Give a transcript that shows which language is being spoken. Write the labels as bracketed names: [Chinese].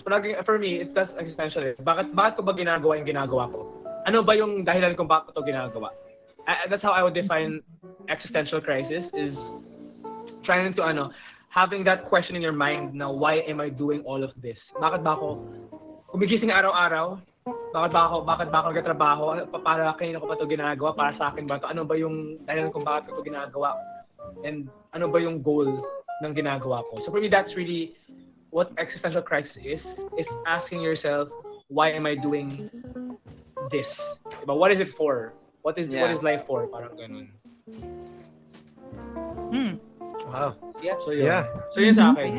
[English] For me, it's just existential. [Filipino] Bakit ko ba ginagawa yung ginagawa ko? Ano ba yung dahilan kung bakit ko to ginagawa? [English] That's how I would define existential crisis, is trying to having that question in your mind na why am I doing all of this? [Filipino] Bakit ba ako gumigising araw-araw? Bakit ba ako nagtatrabaho? Para kanino ko ba to ginagawa? Para sa akin ba to? Ano ba yung dahilan kung bakit ko to ginagawa? And ano ba yung goal ng ginagawa ko? [English] So for me, that's really what existential crisis is asking yourself, why am I doing this? But what is it for? What is what is life for? [Filipino] Parang ganun. [English] Wow. Yeah. [Filipino] So yun. Yeah. So yun sa akin.